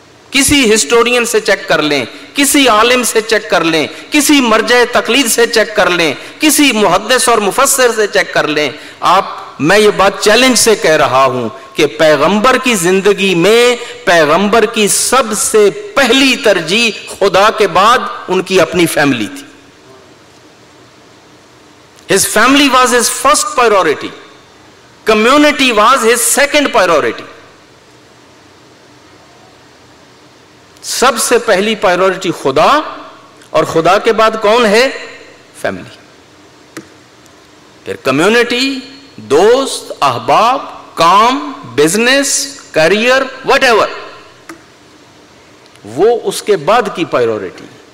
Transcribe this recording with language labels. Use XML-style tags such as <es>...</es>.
<ur>کسی ہسٹورین سے چیک کر لیں, کسی عالم سے چیک کر لیں, کسی مرجع تقلید سے چیک کر لیں, کسی محدث اور مفسر سے چیک کر لیں, آپ, میں یہ بات چیلنج سے کہہ رہا ہوں کہ پیغمبر کی زندگی میں پیغمبر کی سب سے پہلی ترجیح خدا کے بعد ان کی اپنی فیملی تھی.</ur> <en>His family was his first priority. Community was his second priority.</en> <ur>سب سے پہلی پرائیورٹی خدا, اور خدا کے بعد کون ہے؟ فیملی, پھر کمیونٹی, دوست, احباب, کام, بزنس, کیریئر, وٹ ایور, وہ اس کے بعد کی پرائیورٹی.</ur>